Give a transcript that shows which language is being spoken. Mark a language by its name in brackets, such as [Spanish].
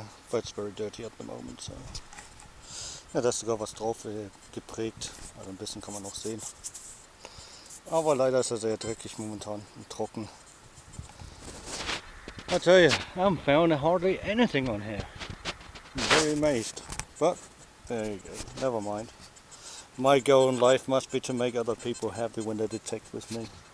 [English] But it's very dirty at the moment, so. [German] Ja, da ist sogar was drauf geprägt, also ein bisschen kann man noch sehen. Aber leider ist er sehr dreckig momentan und trocken. [English] I tell you, I'm found hardly anything on here. I'm very amazed, but there you go, never mind. My goal in life must be to make other people happy when they detect with me.